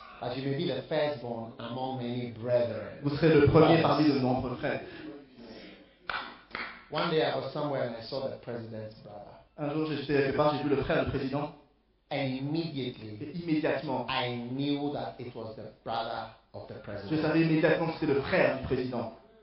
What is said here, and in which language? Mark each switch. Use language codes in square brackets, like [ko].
[en] As you may be the firstborn among many brethren. [fr] Vous serez le premier parmi de nombreux frères. [en] One day I was somewhere and I saw the president's brother. [fr] Un jour j'étais quelque part, j'ai vu le frère du président. [en] And immediately, [fr] immédiatement, [en] I knew that it was the brother of the president. [fr] Je savais immédiatement que c'était le frère du président.